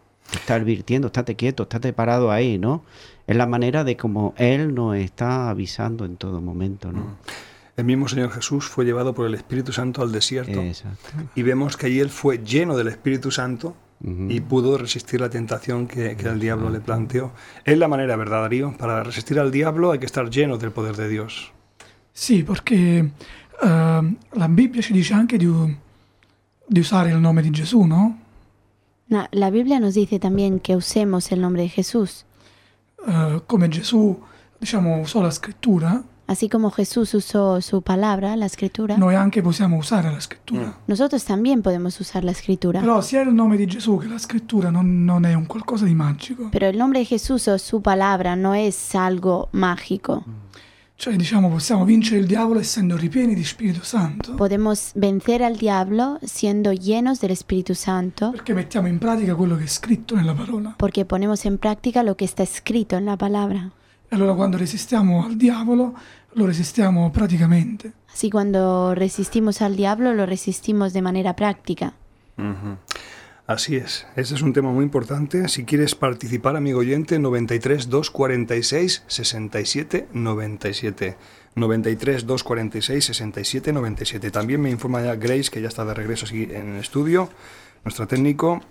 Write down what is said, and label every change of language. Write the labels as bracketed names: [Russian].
[Spanish] Te está advirtiendo, estate quieto, estate parado ahí, ¿no? Es la manera de como Él nos está avisando en todo momento, ¿no? El mismo Señor Jesús fue llevado por el Espíritu Santo al desierto. Exacto. Y vemos que allí Él fue lleno del Espíritu Santo, uh-huh, y pudo resistir la tentación que el diablo le planteó. Es la manera, ¿verdad, Darío? Para resistir al diablo hay que estar lleno del poder de Dios. Sí, porque la Biblia [Italian] ci dice anche di usare il nome di Gesù, no? [Spanish] No, la Biblia nos dice también que usemos el nombre de Jesús. [Italian] Come Gesù, diciamo, usò la scrittura. [Spanish] Así como Jesús usó su palabra, la escritura. [Italian] Noi anche possiamo usare la scrittura. [Spanish] Nosotros también podemos usar la escritura. [Italian] Però sia il nome di Gesù che la scrittura non è un qualcosa di magico. [Spanish] Pero el nombre de Jesús o su palabra no es algo mágico. [Italian] Cioè, diciamo, possiamo vincere il diavolo essendo ripieni di Spirito Santo. [Spanish] Podemos vencer al diablo siendo llenos del Espíritu Santo. [Italian] Perché mettiamo in pratica quello che è scritto nella parola. [Spanish] Porque ponemos en práctica lo que está escrito en la palabra. [Italian] E allora quando resistiamo al diavolo, lo resistiamo praticamente. [Spanish] Sí, cuando resistimos al diablo, lo resistimos de manera práctica. Uh-huh. Así es. Ese es un tema muy importante. Si quieres participar, amigo oyente, 93-246-67-97. 93-246-67-97. También me informa ya Grace, que ya está de regreso aquí en el estudio, nuestro técnico.